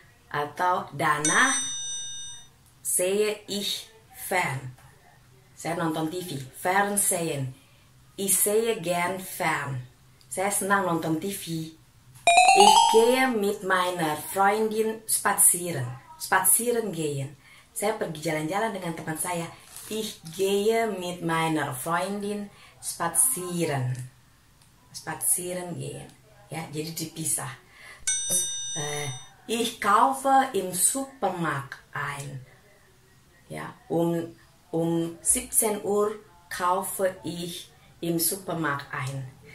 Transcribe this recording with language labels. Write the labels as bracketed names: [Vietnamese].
[German] Atau danach sehe ich Fern. [Indonesian] Saya nonton TV, [German] Fernsehen. Ich sehe gern Fern. [Indonesian] Saya senang nonton TV. [German] Ich gehe mit meiner Freundin spazieren. Spazieren gehen. [Indonesian] Saya pergi jalan-jalan dengan teman saya. [German] Ich gehe mit meiner Freundin spazieren. Spazieren gehen. [Indonesian] Ya, jadi dipisah. [German] Ich kaufe im Supermarkt ein. Ja, um 17 Uhr kaufe ich im Supermarkt ein.